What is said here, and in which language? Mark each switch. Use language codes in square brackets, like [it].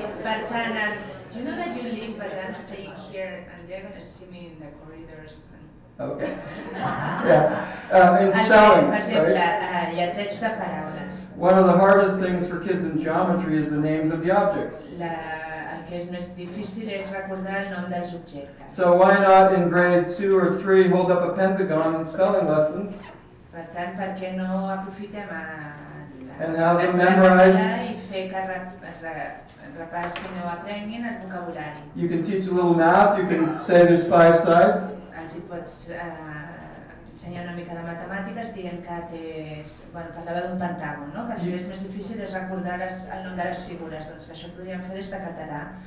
[ca] Per tant, [en] you know that you leave, but I'm staying here, and they're gonna see me in the corridors. Okay. Yeah. In spelling. [ca] Per exemple, lletreig de paraules. [en] One of the hardest things for kids in geometry is the names of the objects. [ca] El que és més difícil és recordar el nom dels objectes. [en] So why not in grade 2 or 3 hold up a pentagon in spelling lessons? [ca] Per tant, per què no aprofitem a... [en] And have them memorize. [ca] I fer que repassin o aprenguin el vocabulari. [en] You can teach a little math, you can say there's 5 sides. [ca] Els hi pots ensenyar una mica de matemàtiques dient que té... Bueno, parlava d'un pentàgon, no? Que el més difícil és recordar el nom de les figures. Doncs això ho podríem fer des de català.